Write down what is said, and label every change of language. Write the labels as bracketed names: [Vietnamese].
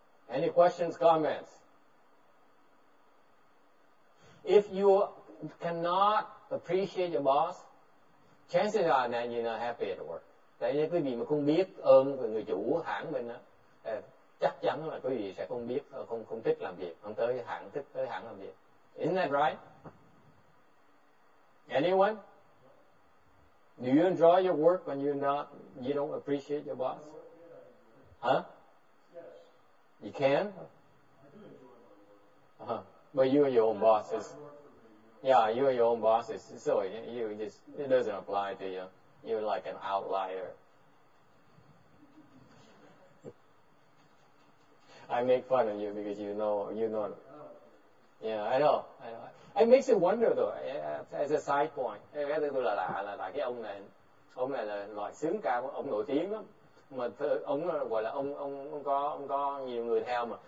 [English] Any questions, comments? If you cannot appreciate your boss, chances are that you're not happy at work. [Vietnamese] Tại vì quý vị mà không biết ơn người chủ hãng mình á, chắc chắn là quý vị sẽ không biết, không thích làm việc, không tới hãng thích tới hãng làm việc. [English] Isn't that right? Anyone? Do you enjoy your work when you don't appreciate your boss? Huh? You can? I do enjoy my work. But you are your own bosses. Yeah, you are your own bosses. So you just, it doesn't apply to you. You're like an outlier. I make fun of you because you know. Yeah, I know. It makes you wonder though, as a side point. [Vietnamese] Cái thứ tôi là cái ông này là loại sướng ca, ông nổi tiếng lắm. Mà ông gọi là ông có nhiều người theo mà.